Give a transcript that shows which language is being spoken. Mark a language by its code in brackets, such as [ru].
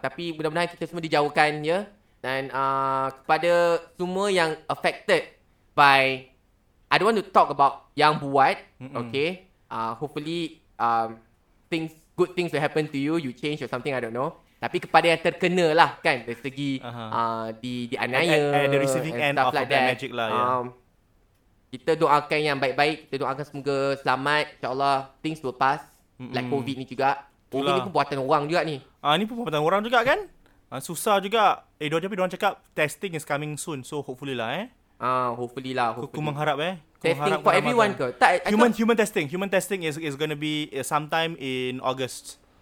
[ms] Tapi mudah-mudahan kita semua dijauhkan ya. Dan kepada semua yang [en] affected by, I don't want to talk about [ms] yang buat. Mm-mm. Okay. [en] Hopefully things, good things will happen to you. You change or something, I don't know. [ms] Tapi kepada yang terkena lah kan, dari segi di anaya [en] and the receiving and end of like that magic lah, yeah. [ms] Kita doakan yang baik-baik. Kita doakan semoga selamat, InsyaAllah [en] things will pass. [ms] Mm-mm. Like COVID ni juga. Itulah. COVID ni pun buatan orang juga ni. Ni pun buatan orang juga kan. Susah juga. Tapi diorang cakap [en] testing is coming soon. So hopefully lah eh. Hopefully lah. Hopefully. [ms] Ku mengharap eh. [en] Testing for everyone ke? [ms] Tak, [en] human testing. Human testing is going to be sometime in August.